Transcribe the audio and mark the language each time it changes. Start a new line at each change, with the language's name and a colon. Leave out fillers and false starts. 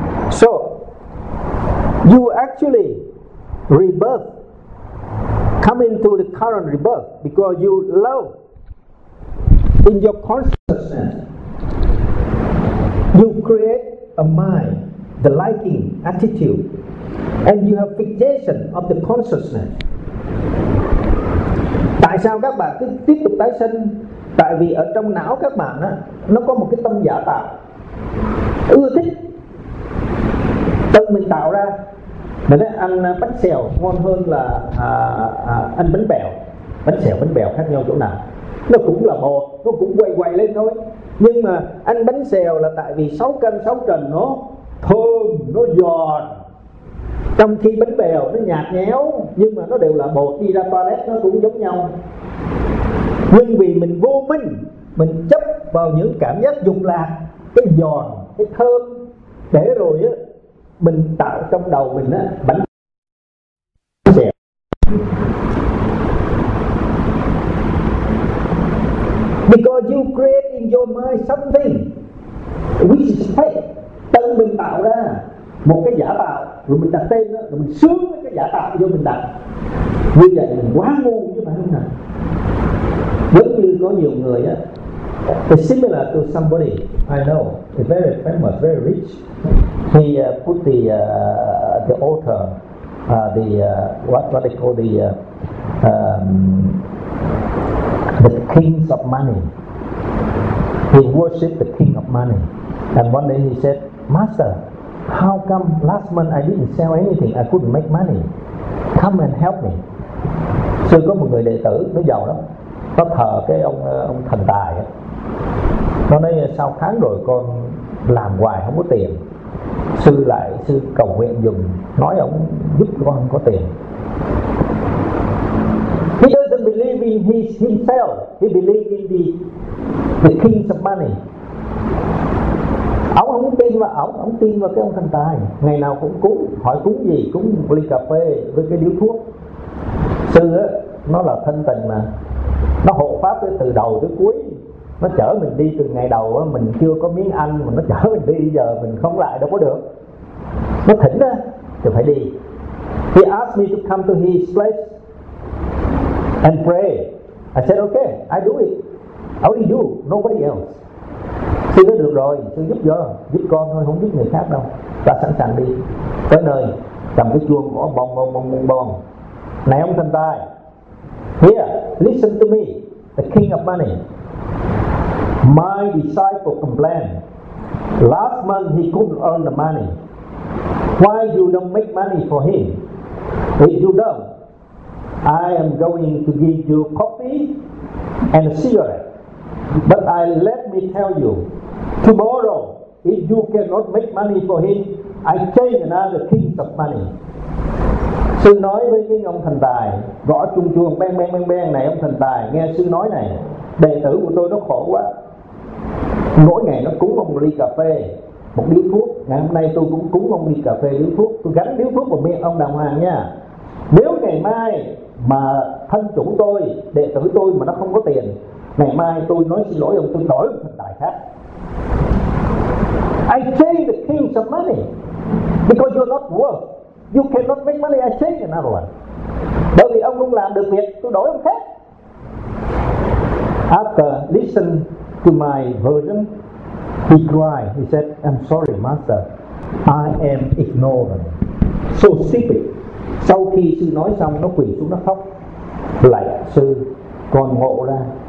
English: So you actually rebirth, come into the current rebirth because you love. In your consciousness, you create a mind, the liking attitude, and you have fixation of the consciousness.
Vietnamese: Tại sao các bạn cứ tiếp tục tái sinh? Tại vì ở trong não các bạn á, nó có một cái tâm giả tạo, ưa thích, tự mình tạo ra. Mình nói ăn bánh xèo ngon hơn là ăn bánh bèo. Bánh xèo, bánh bèo khác nhau chỗ nào? Nó cũng là bột, nó cũng quay quay lên thôi. Nhưng mà ăn bánh xèo là tại vì 6 cân 6 trần nó thơm, nó giòn. Trong khi bánh bèo nó nhạt nhẽo, nhưng mà nó đều là bột, đi ra toilet nó cũng giống nhau. Nhưng vì mình vô minh, mình chấp vào những cảm giác dục lạc, cái giòn, cái thơm, để rồi á, mình tạo trong đầu mình á, bánh xèo.
English: Because you create in your mind something which is fake.
Vietnamese: Tân mình tạo ra một cái giả tạo, rồi mình đặt tên đó, rồi mình sướng với cái giả tạo vô mình đặt. Như vậy mình quá ngu chứ phải không nào? Giống như có nhiều người á,
English: it's similar to somebody I know, it's very famous, very rich. He put the altar, the kings of money. He worshipped the king of money. And one day he said, "Master, how come last month I didn't sell anything? I couldn't make money. Come and help me."
Vietnamese: Xưa có một người đệ tử, nó giàu lắm, nó thờ cái ông thần tài. Nó nói, sao tháng rồi con làm hoài không có tiền. sư lại sư cầu nguyện dùng, nói ông giúp con có tiền.
English: He doesn't believe in his himself. He believes in the king's money.
Vietnamese: Ông không tin vào ông tin vào cái ông thần tài. Ngày nào cũng cúng, hỏi cúng gì, cúng ly cà phê với cái điếu thuốc. Sư á, nó là thân tình mà, nó hộ pháp từ đầu tới cuối. Nó chở mình đi từ ngày đầu á, mình chưa có miếng ăn mà nó chở mình đi, giờ mình không lại đâu có được. Nó thỉnh á, thì phải đi.
English: He asked me to come to his place and pray. I said okay, I do it. Only you, nobody else.
Vietnamese: Sư nói được rồi, sư giúp vô, giúp con thôi, không giúp người khác đâu. Và sẵn sàng đi. Tới nơi, cầm cái chuông gõ bong bong bong bong bong. Này ông thần tài,
English: here, listen to me, the king of money. My disciple complained. Last month he couldn't earn the money. Why you don't make money for him? If you don't, I am going to give you coffee and a cigarette. But I let me tell you, tomorrow, if you cannot make money for him, I change another king of money.
Vietnamese: Sư nói với cái ông thần tài, gõ chung chuông, bang bang bang bang, này ông thần tài, nghe sư nói này, đệ tử của tôi nó khổ quá. Mỗi ngày nó cúng ông ly cà phê, một điếu thuốc, ngày hôm nay tôi cũng cúng ông ly cà phê, điếu thuốc, tôi gắn điếu thuốc vào miệng ông đàng hoàng nha. Nếu ngày mai mà thân chủ tôi, đệ tử tôi mà nó không có tiền, ngày mai tôi nói xin lỗi ông, tôi đổi một thần tài khác.
English: I change the king some money because you're not worth. You cannot make money, I change another one.
Vietnamese: Bởi vì ông không làm được việc, tôi đổi ông khác.
English: After listening to my version, he cried. He said, I'm sorry, master. I am ignorant. So stupid.
Vietnamese: Sau khi sư nói xong, nó quỳ xuống, nó khóc. Lạy sư, con ngộ ra.